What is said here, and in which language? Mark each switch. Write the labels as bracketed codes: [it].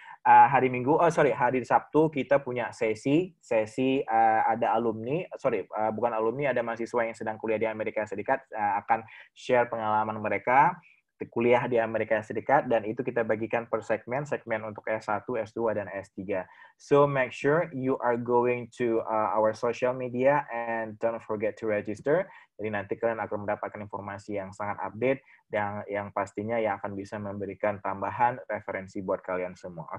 [id] Hari Sabtu kita punya sesi ada alumni, bukan alumni, ada mahasiswa yang sedang kuliah di Amerika Serikat, akan share pengalaman mereka kuliah di Amerika Serikat, dan itu kita bagikan per segmen untuk S1, S2, dan S3. [en] So make sure you are going to our social media and don't forget to register. [id] Jadi nanti kalian akan mendapatkan informasi yang sangat update dan yang pastinya yang akan bisa memberikan tambahan referensi buat kalian semua.